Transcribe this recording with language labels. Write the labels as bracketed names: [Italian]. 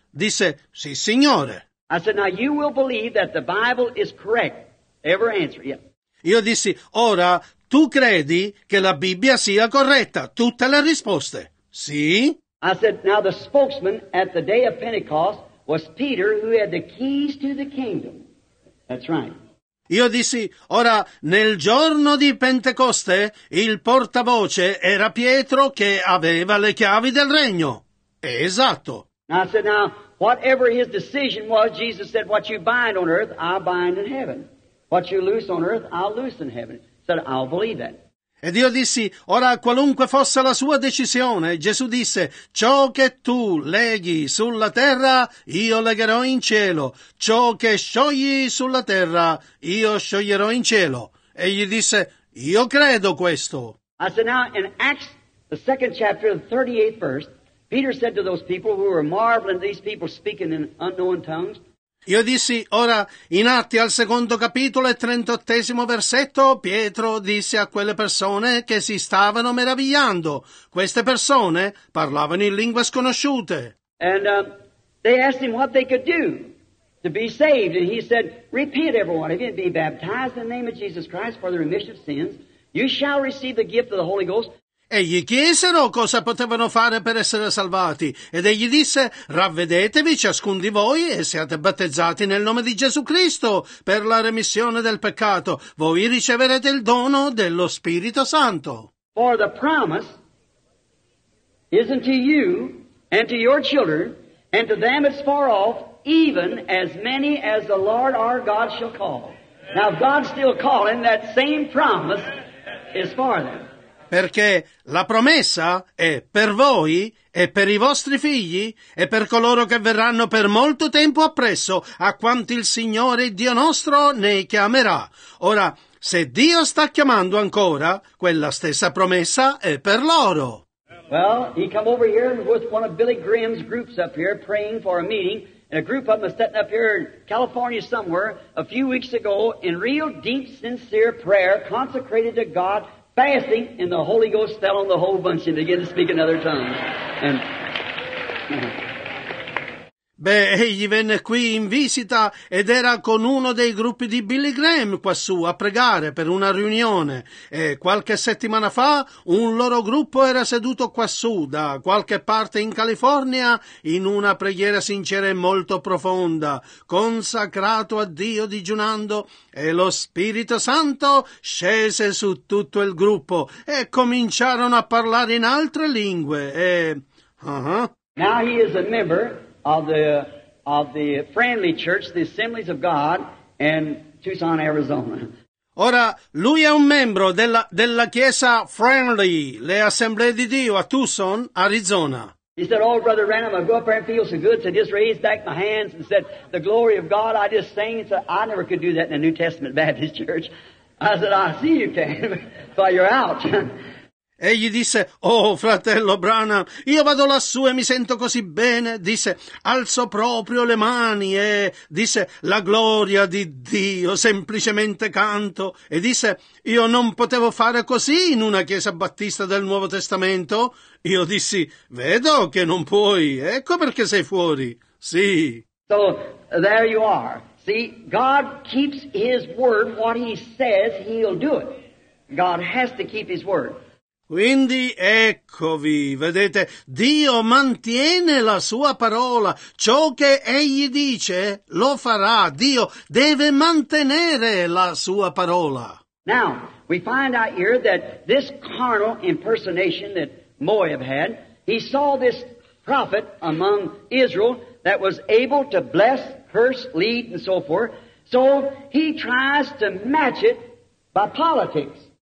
[Italian] Disse, sì, signore. [English] I said, now you will believe that the Bible is correct. Ever answer, yeah. [Italian] Io dissi, ora, tu credi che la Bibbia sia corretta? Tutte le risposte. Sì? [English] I said, now the spokesman at the day of Pentecost was Peter, who had the keys to the kingdom. That's right. [Italian] Io dissi, ora, nel giorno di Pentecoste, il portavoce era Pietro che aveva le chiavi del regno. È esatto. [English] Now I said, now, whatever his decision was, Jesus said, what you bind on earth, I bind in heaven. What you loose on earth, I'll loose in heaven. He said, I'll believe that. [Italian] Ed io dissi, ora qualunque fosse la sua decisione, Gesù disse, ciò che tu leghi sulla terra, io legherò in cielo. Ciò che sciogli sulla terra, io scioglierò in cielo. E gli disse, io credo questo. [English] I said, now in Acts, the second chapter, the 38th verse, Peter said to those people who were marveling, these people speaking in unknown tongues, [Italian] io dissi, ora, in Atti al secondo capitolo e 38° versetto, Pietro disse a quelle persone che si stavano meravigliando. Queste persone parlavano in lingue sconosciute. [English] And they asked him what they could do to be saved. And he said, repeat every one of you and be baptized in the name of Jesus Christ for the remission of sins. You shall receive the gift of the Holy Ghost. [Italian] E gli chiesero cosa potevano fare per essere salvati, ed egli disse, ravvedetevi ciascun di voi e siate battezzati nel nome di Gesù Cristo per la remissione del peccato. Voi riceverete il dono dello Spirito Santo. [English] For the promise is unto you and to your children and to them that's far off, even as many as the Lord our God shall call. Now if God's still calling, that same promise is for them. [Italian] Perché la promessa è per voi e per i vostri figli e per coloro che verranno per molto tempo appresso a quanti il Signore Dio nostro ne chiamerà. Ora, se Dio sta chiamando ancora, quella stessa promessa è per loro. [English] Well, he come over here with one of Billy Graham's groups up here praying for a meeting, and a group of them was sitting up here in California somewhere a few weeks ago in real deep sincere prayer consecrated to God. Fasting, and the Holy Ghost fell on the whole bunch and began to speak in other tongues. And [Italian] beh, egli venne qui in visita ed era con uno dei gruppi di Billy Graham quassù a pregare per una riunione. E qualche settimana fa un loro gruppo era seduto quassù da qualche parte in California in una preghiera sincera e molto profonda, consacrato a Dio digiunando, e lo Spirito Santo scese su tutto il gruppo e cominciarono a parlare in altre lingue. E [English] Now he is a member of the Friendly Church, the Assemblies of God, in Tucson, Arizona. [Italian] Ora, lui è un membro della chiesa Friendly, le Assemblee di Dio, a Tucson, Arizona. [English] He said, oh, Brother Branham, I go up there and feel so good, so I just raised back my hands and said, the glory of God, I just sang. He said, I never could do that in a New Testament Baptist church. I said, I see you can, but you're out. [Italian] Egli disse, oh fratello Branham, io vado lassù e mi sento così bene, disse, alzo proprio le mani e disse, la gloria di Dio, semplicemente canto, e disse, io non potevo fare così in una chiesa battista del Nuovo Testamento, io dissi, vedo che non puoi, ecco perché sei fuori, sì. [English] So, there you are, see, God keeps his word, what he says, he'll do it, God has to keep his word. [Italian] Quindi, eccovi, vedete, Dio mantiene la sua parola. Ciò che egli dice, lo farà. Dio deve mantenere la sua parola. [English] Now, we find out here that this carnal impersonation that Moab had, he saw this prophet among Israel that was able to bless, curse, lead, and so forth. So, he tries to match it by politics.